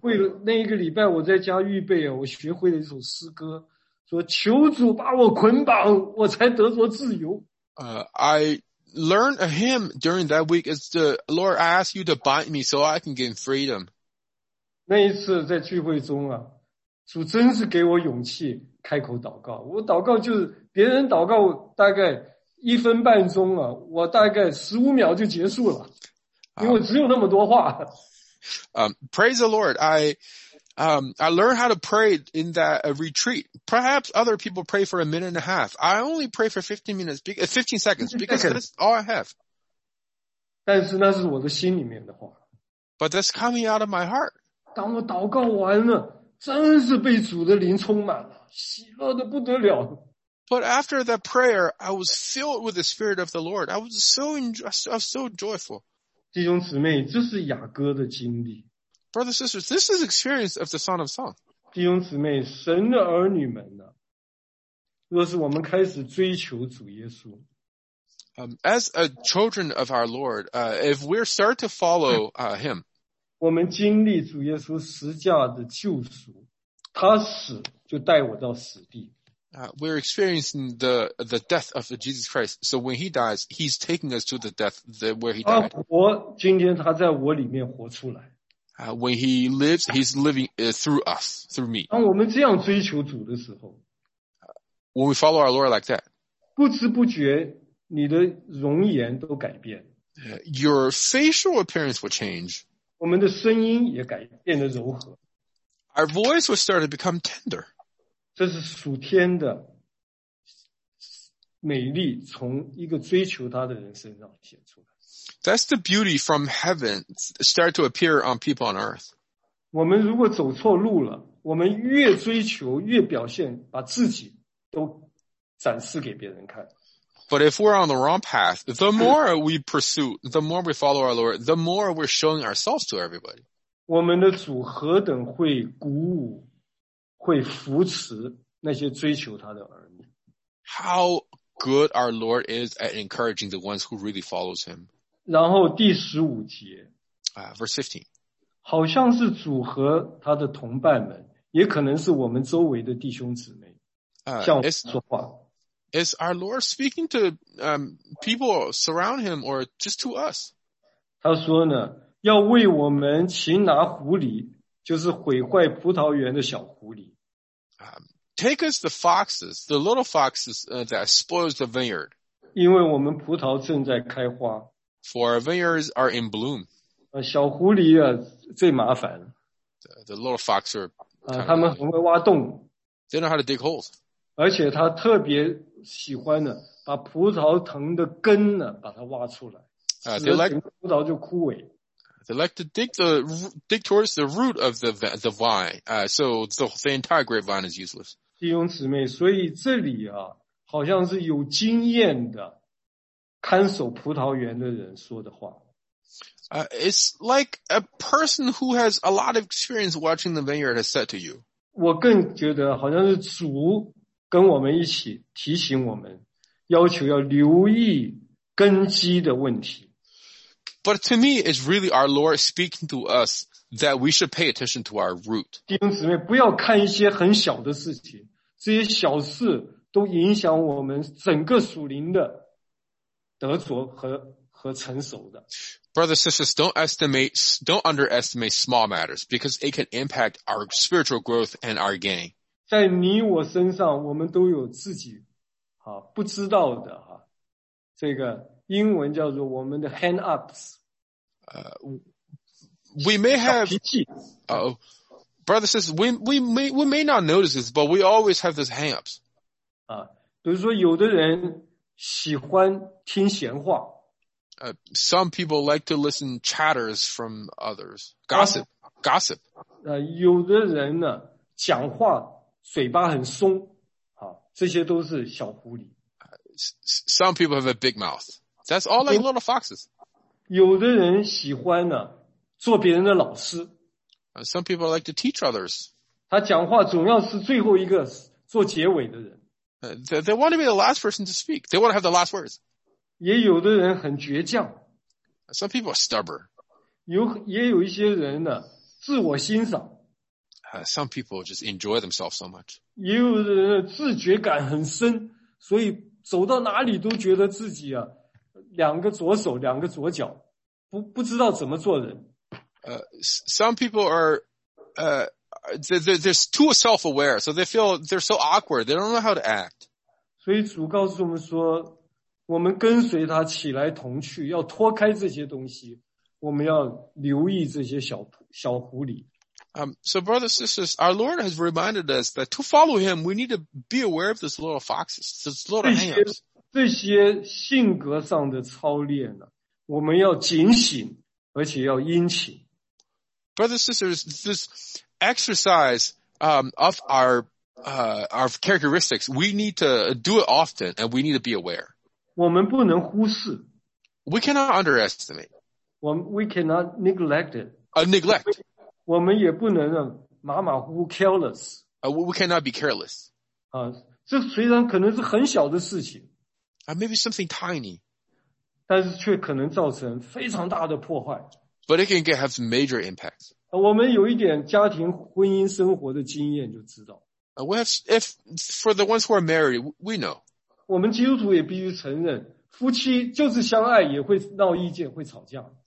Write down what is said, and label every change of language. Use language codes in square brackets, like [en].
[zh] 为了那一个礼拜我在家预备啊，我学会了一首诗歌，说求主把我捆绑，我才得着自由。 [en] I learned a hymn during that week. It's the Lord, I ask you to bind me so I can gain freedom. [zh] 那一次在聚会中啊。主真是给我勇气开口祷告。我祷告就是别人祷告大概一分半钟了，我大概十五秒就结束了，因为只有那么多话。 [en] Praise the Lord, I learned how to pray in that retreat. Perhaps other people pray for a minute and a half. I only pray for 15 seconds because that's all I have. [zh] 但是那是我的心里面的话。 [en] But that's coming out of my heart. [zh] 当我祷告完了。真是被主的灵充满了，喜乐的不得了。 [en] But after that prayer, I was filled with the Spirit of the Lord. I was so joyful. [zh] 弟兄姊妹，这是雅歌的经历。 [en] Brothers, sisters, this is experience of the Song of Songs. [zh] 弟兄姊妹，神的儿女们呢？若是我们开始追求主耶稣。 [en] As a children of our Lord, if we start to follow him, [zh] 我们经历主耶稣十架的救赎，他死就带我到死地。 [en] We're experiencing the death of Jesus Christ. So when he dies, he's taking us to the death where he died. [zh] 他活，今天他在我里面活出来。 [en] When he lives, he's living through us, through me. [zh] 当我们这样追求主的时候 [en] ，When we follow our Lord like that, [zh] 不知不觉你的容颜都改变。 [en] Your facial appearance will change. [zh] 我们的声音也改变得柔和。 [en] Our voice will start to become tender. [zh] 这是属天的美丽从一个追求他的人身上显出来。 [en] That's the beauty from heaven start to appear on people on earth. [zh] 我们如果走错路了，我们越追求越表现，把自己都展示给别人看。 [en] But if we're on the wrong path, the more we pursue, the more we follow our Lord, the more we're showing ourselves to everybody. [zh] 我们的主何等会鼓舞，会扶持那些追求他的儿女。 [en] How good our Lord is at encouraging the ones who really follows him. [zh] 然后第十五节 [en] ，verse 15， [zh] 好像是主和他的同伴们，也可能是我们周围的弟兄姊妹，向我说话。 [en] Is our Lord speaking to people surround him or just to us? [zh] 他说呢，要为我们擒拿狐狸，就是毁坏葡萄园的小狐狸。 [en] Take us the foxes, the little foxes that spoils the vineyard. [zh] 因为我们葡萄正在开花。 [en] For our vineyards are in bloom. [zh] 小狐狸啊，最麻烦。 [en] The little foxes are kind of... [zh] 他们很会挖洞。 [en] They know how to dig holes. [zh] 而且他特别喜欢呢，把葡萄藤的根呢，把它挖出来，使得整个葡萄就枯萎。 [en] They like to dig towards the root of the vine, so the entire grapevine is useless. [zh] 弟兄姊妹，所以这里啊，好像是有经验的看守葡萄园的人说的话。 [en] It's like a person who has a lot of experience watching the vineyard has said to you. [zh] 我更觉得好像是主。跟我们一起提醒我们，要求要留意根基的问题。 [en] But to me, it's really our Lord speaking to us that we should pay attention to our root. [zh] 弟兄姊妹，不要看一些很小的事情，这些小事都影响我们整个属灵的得着和成熟的。 [en] Brothers, sisters, don't underestimate small matters because it can impact our spiritual growth and our gain. [zh] 在你我身上，我们都有自己啊不知道的啊，这个英文叫做我们的 hang ups。 [en] we may have, brother says, we may not notice this, but we always have this hang-ups. [zh] 比如说有的人喜欢听闲话。 [en] Some people like to listen chatters from others. Gossip, gossip. [zh] 有的人呢讲话嘴巴很松。这些都是小狐狸。 [en] Some people have a big mouth. That's all like little foxes. [zh] 有的人喜欢呢做别人的老师。 [en] Some people like to teach others. [zh] 他讲话总要是最后一个做结尾的人。 [en] They want to be the last person to speak. They want to have the last words. [zh] 也有的人很倔强。 [en] Some people are stubborn. [zh] 也有一些人呢自我欣赏。 [en] Some people just enjoy themselves so much. [zh] 也有的人自觉感很深，所以走到哪里都觉得自己啊两个左手两个左脚，不知道怎么做人。 [en] Some people are, they're too self-aware, so they feel they're so awkward, they don't know how to act. [zh] 所以主告诉我们说，我们跟随他起来同去，要脱开这些东西，我们要留意这些小狐狸。 [en] So brothers, sisters, our Lord has reminded us that to follow him, we need to be aware of this little foxes, this little hangers. [zh] 这些性格上的操练呢，我们要警醒，而且要殷勤。 [en] Brothers, sisters, this exercise of our characteristics, we need to do it often and we need to be aware. [zh] 我们不能忽视。 [en] We cannot underestimate. We cannot neglect it. Neglect. [zh] 我们也不能马马虎虎 careless. [en] We cannot be careless. [zh] 这虽然可能是很小的事情。 [en] Maybe something tiny. [zh] 但是却可能造成非常大的破坏。 [en] But it can have some major impacts. [zh] 我们有一点家庭婚姻生活的经验就知道。 [en] If for the ones who are married, we know. [zh] 我们基督徒也必须承认，夫妻就是相爱也会闹意见，会吵架。